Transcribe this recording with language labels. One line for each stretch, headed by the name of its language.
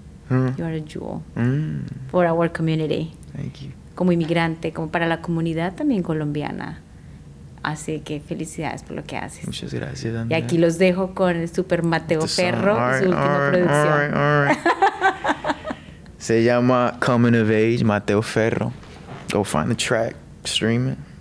English: You are a jewel for our community. Thank you.
Spanish: Como inmigrante, como para la comunidad también colombiana. Así que felicidades por lo que haces. Muchas gracias, Andrea. Y aquí los dejo con el super Mateo Ferro, su última producción. Se llama Coming of Age, Mateo Ferro.
English: Go find the track, stream it.